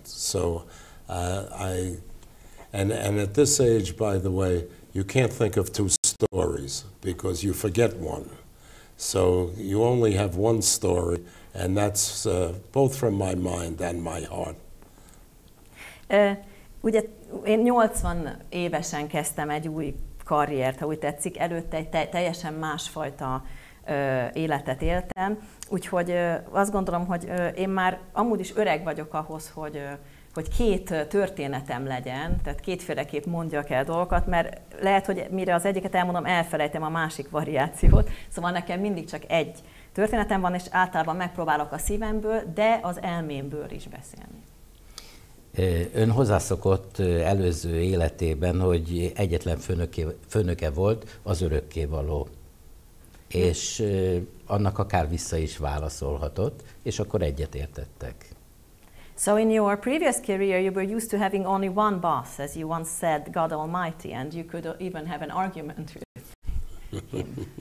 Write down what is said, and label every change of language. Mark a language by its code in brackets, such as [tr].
[en] So I, and at this age, by the way, you can't think of two stories because you forget one. So you only have one story, and that's both from my mind and my heart. [hu] Ugye én 80 évesen kezdtem egy új karriert, ha úgy tetszik, előtte egy teljesen másfajta életet éltem, úgyhogy azt gondolom, hogy én már amúgy is öreg vagyok ahhoz, hogy, hogy két történetem legyen, tehát kétféleképp mondjak el dolgokat, mert lehet, hogy mire az egyiket elmondom, elfelejtem a másik variációt, szóval nekem mindig csak egy történetem van, és általában megpróbálok a szívemből, de az elmémből is beszélni. Ön hozzászokott előző életében, hogy egyetlen főnöke volt az örökkévaló, és annak akár vissza is válaszolhatott, és akkor egyet értettek. [en] So in your previous career you were used to having only one boss, as you once said, God Almighty, and you could even have an argument with him.